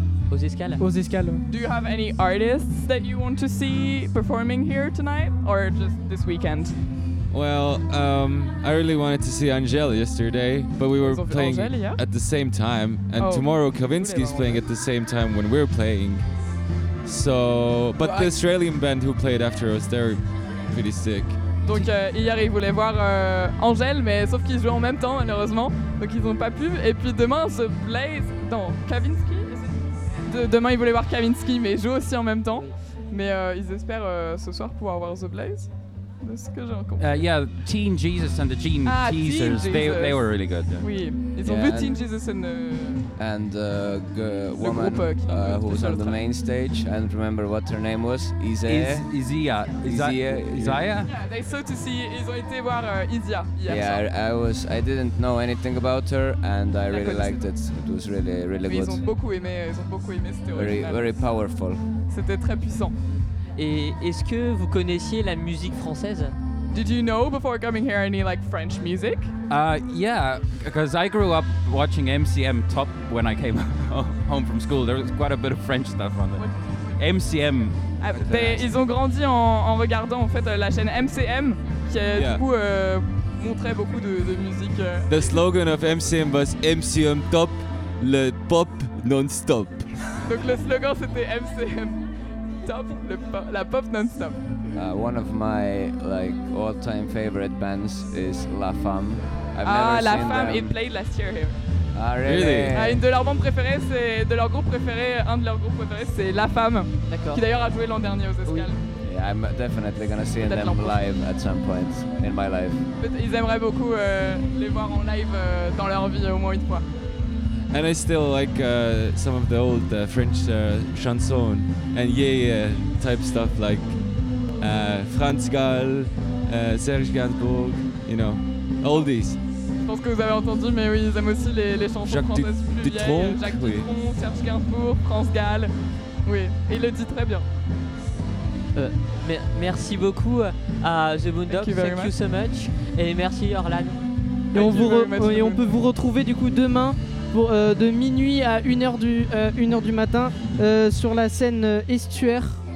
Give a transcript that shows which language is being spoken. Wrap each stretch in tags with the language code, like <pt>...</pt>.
<fr>aux escales? Aux escales.</fr> <en>Do you have any artists that you want to see performing here tonight or just this weekend? Well, I really wanted to see Angèle yesterday, but we were playing Angèle, yeah? At the same time. And oh, tomorrow Kavinsky's playing at the same time when we're playing. So, but well, the Australian band who played after us, they're pretty sick.</en> <fr>Donc hier ils voulaient voir Angèle, mais sauf qu'ils jouaient en même temps malheureusement, donc ils n'ont pas pu. Et puis demain ce Blaze, non, Kavinsky. Demain ils voulaient voir Kavinsky, mais ils jouent aussi en même temps. Mais ils espèrent ce soir pouvoir voir The Blaze.</fr> <en>Yeah, Teen Jesus and the Gene Teasers, they were really good. Yeah.</en> <fr>Oui, ils ont vu Teen Jesus and the...</fr> <en>And the woman who was on the main stage, I don't remember what her name was, Isaiah? Yeah, they saw to see,</en> <fr>ils ont été voir Isaiah hier.</fr> <en>Yeah, I didn't know anything about her and I really liked it. It was really, really good.</en> <fr>Ils ont beaucoup aimé, c'était</fr> <en>very, original. Very powerful.</en> <fr>C'était très puissant. Et est-ce que vous connaissiez la musique française?</fr> <en>Did you know before coming here any like French music? Yeah, because I grew up watching MCM Top when I came home from school. There was quite a bit of French stuff on it. MCM.</en> <fr>Ils ont grandi en regardant en fait la chaîne MCM qui yeah. Du coup montrait beaucoup de musique.</fr> <en>The slogan of MCM was MCM Top,</en> <fr>le pop non-stop. Donc le slogan c'était MCM. La pop non-stop.</fr> <en>One of my like all-time favorite bands is La Femme. La Femme, it played last year here. Ah, really?</en> <fr>Une de leurs bandes préférées, c'est de leur groupe préféré, un de leurs groupes préférés, c'est La Femme. D'accord. Qui d'ailleurs a joué l'an dernier aux Escales.</fr> <en>Oui. Yeah, I'm definitely gonna see</en> <fr>peut-être</fr> <en>them live at some point in my life.</en> <fr>Ils aimeraient beaucoup les voir en live dans leur vie au moins une fois.</fr> <en>And I still like some of the old French chansons and yeah type stuff like Franz Gall, Serge Gainsbourg, you know, all these.</en> <fr>Je pense que vous avez entendu, mais oui, ils aiment aussi les chansons Jacques françaises plus vieilles. Jacques Dutronc, oui. Serge Gainsbourg, Franz Gall, oui, il le dit très bien. Merci beaucoup à The Boondocks,</fr> <en>thank you so much,</en> <fr>et merci Orlan. Et on, on peut vous retrouver du coup demain. Pour, de minuit à 1h du matin sur la scène estuaire.</fr>